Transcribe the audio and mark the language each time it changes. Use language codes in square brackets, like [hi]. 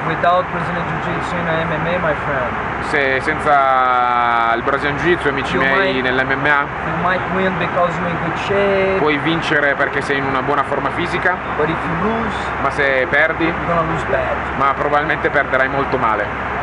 [en] Without Brazilian Jiu-Jitsu in MMA, my friend. [it] Se senza il Brazilian Jiu-Jitsu, amici miei, nell'MMA, [en] you might win because you're in good shape. [it] Puoi vincere perché sei in una buona forma fisica, [en] but if you lose, [it] ma se perdi, [en] you're gonna lose bad. [it] Ma probabilmente perderai molto male.